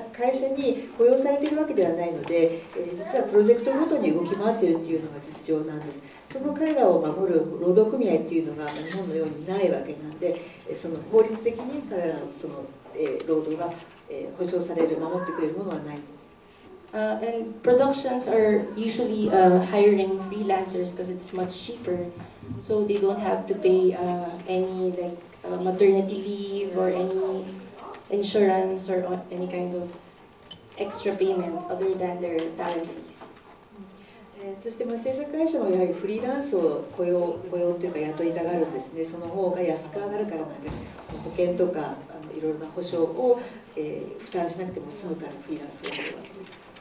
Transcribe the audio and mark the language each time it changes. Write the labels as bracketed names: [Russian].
[Japanese] 会社に雇用されているわけではないので、実はプロジェクトごとに動き回っているというのが実情なんです。その彼らを守る労働組合というのが日本のようにないわけなんで、その法律的に彼らの、その労働が保障される、守ってくれるものはない。 [English] And productions are usually hiring freelancers because it's much cheaper, so they don't have to pay any like maternity leave or any insurance or any kind of extra payment other than their talent fees. [Japanese] そしてまあ制作会社もやはりフリーランスを雇用というか雇いたがるんですね。その方が安く上がるからなんです。保険とかいろいろな保証を、負担しなくても済むからフリーランスを雇うわけです。